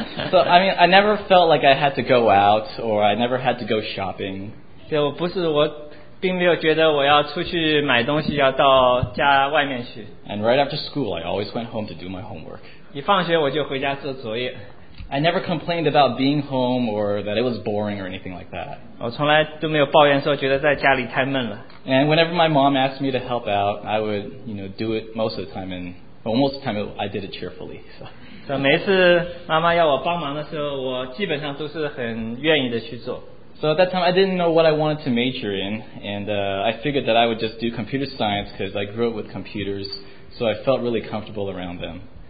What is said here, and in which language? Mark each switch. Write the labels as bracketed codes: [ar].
[en] So, I mean, I never felt like I had to go out or I never had to go shopping. [zh] 对，我不是我。并没有觉得我要出去买东西，要到家外面去。 [en] And right after school, I always went home to do my homework. [zh] 一放学我就回家做作业。 [en] I never complained about being home or that it was boring or anything like that. [zh] 我从来都没有抱怨说觉得在家里太闷了。 [en] And whenever my mom asked me to help out, I would, you know, do it most of the time, and almost the time I did it cheerfully. So [zh] 每次妈妈要我帮忙的时候，我基本上都是很愿意的去做。 [en] So at that time, I didn't know what I wanted to major in, and I figured that I would just do computer science because I grew up with computers, so I felt really comfortable around them.